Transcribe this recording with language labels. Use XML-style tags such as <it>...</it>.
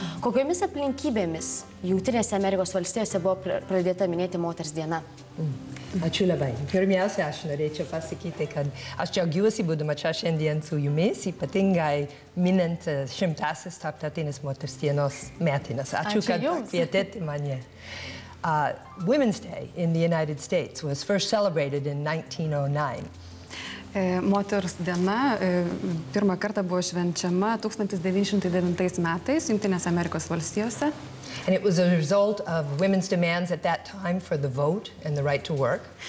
<lt>Kokiomis aplinkybėmis Jungtinėse Amerikos valstijose buvo pradėta minėti moters diena? Ačiū labai. Pirmiausia, aš norėčiau pasakyti, kad aš džiaugiuosi būdama čia šiandien su jumis, ypatingai minant 100-asis tarptautinės moters dienos metinės. Ačiū, kad kvietėte mane.</lt> <en>Women's Day in the United States was first celebrated in 1909.</en> <lt>Moters diena pirmą kartą buvo švenčiama 1909 metais Jungtinėse Amerikos valstijose.</lt> <en>And it was a result of women's demands at that time for the vote and the right to work.</en>